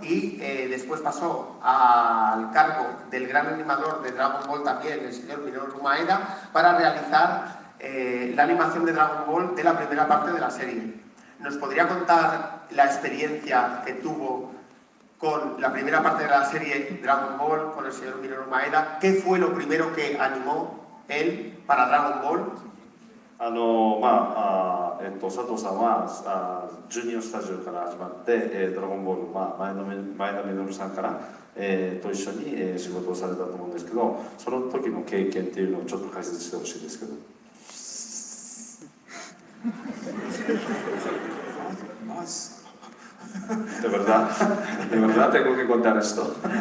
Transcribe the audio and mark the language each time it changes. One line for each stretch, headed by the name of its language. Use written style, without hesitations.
Spanish: Y después pasó al cargo del gran animador de Dragon Ball también, el señor Minoru Maeda, para realizar la animación de Dragon Ball de la primera parte de la serie. ¿Nos podría contar la experiencia que tuvo con la primera parte de la serie Dragon Ball con el señor Minoru Maeda? ¿Qué fue lo primero que animó él para Dragon Ball?
Japanese: あの、まあ、佐藤さんはジュニアスタジオから始まってドラゴンボール、前田みのるさんからと一緒に仕事をされたと思うんですけど、その時の経験っていうのをちょっと解説してほしいんですけど。
Spanish: De verdad tengo que contar esto.